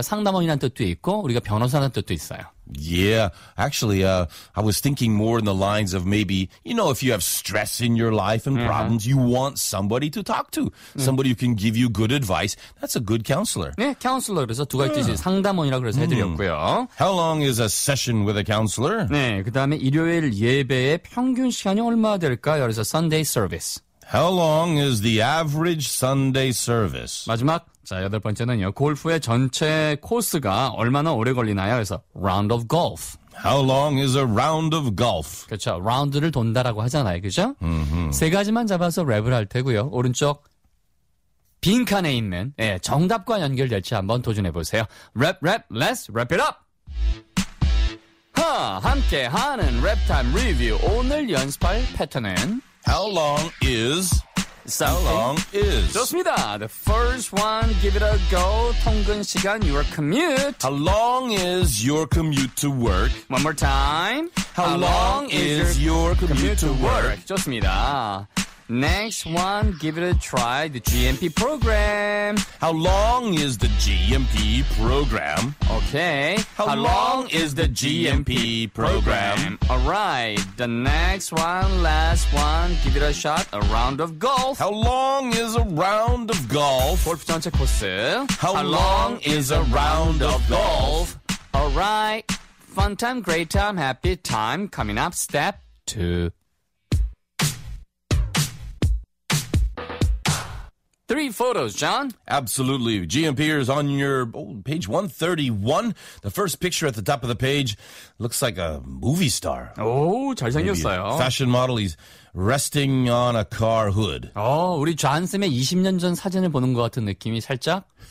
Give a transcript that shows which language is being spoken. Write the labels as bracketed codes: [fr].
[ko] 상담원이라는 뜻도 있고 우리가 변호사라는 뜻도 있어요. [en] Yeah, actually, I was thinking more in the lines of maybe, you know, if you have stress in your life and problems, uh-huh. you want somebody to talk to, somebody who can give you good advice. That's a good counselor. [ko] 네, 카운슬러. 그래서 두 가지 뜻이 상담원이라고 그래서 해드렸고요. [en] How long is a session with a counselor? [ko] 네, 그 다음에 일요일 예배의 평균 시간이 얼마 될까요? 그래서 [en] Sunday service. How long is the average Sunday service? [ko] 마지막. 자, 여덟 번째는요. 골프의 전체 코스가 얼마나 오래 걸리나요? 그래서 [en] round of golf. How long is a round of golf? [ko] 그렇죠. 라운드를 돈다라고 하잖아요. 그죠? 세 가지만 잡아서 랩을 할 테고요. 오른쪽 빈칸에 있는 예, 정답과 연결될지 한번 도전해 보세요. [en] Rap, rap, let's wrap it up! [ko] 하, 함께하는 랩타임 리뷰. 오늘 연습할 패턴은 [en] How long is... So long is. [ko] 좋습니다. [en] The first one, give it a go. [ko] 통근 시간, [en] your commute. How long is your commute to work? One more time. How long is your commute to work? [ko] 좋습니다. [en] Next one, give it a try. The GMP program. How long is the GMP program? Okay. How long is the GMP program? All right. The next one, last one, give it a shot. A round of golf. How long is a round of golf? [ko] 골프 전체 코스. [en] How long is a round of golf? All right. Fun time, great time, happy time. Coming up, step two. Three photos, John. Absolutely. GMPers on your page 131. The first picture at the top of the page looks like a movie star. [ko] Oh, 잘생겼어요. [en] Fashion model. He's resting on a car hood. [ko] Oh, 우리 존쌤의 20년 전 사진을 보는 것 같은 느낌이 살짝.